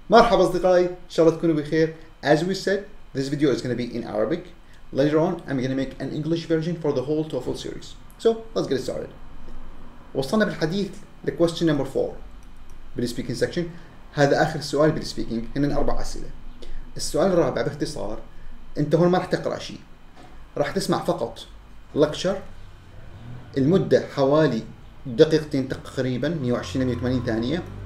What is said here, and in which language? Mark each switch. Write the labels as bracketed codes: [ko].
[ar] مرحبا أصدقائي, إن شاء الله تكونوا بخير. [en] As we said, this video is going to be in Arabic. Later on, I'm going to make an English version for the whole TOEFL series. So, let's get it started. [ar] وصلنا بالحديث [en] the question number 4 بالSpeaking section. [ar] هذا آخر سؤال بالSpeaking, هنا أربع أسئلة. السؤال الرابع باختصار, أنت هون ما رح تقرأ شيء, رح تسمع فقط lecture المدة حوالي دقيقتين تقريبا, 120-180 ثانية.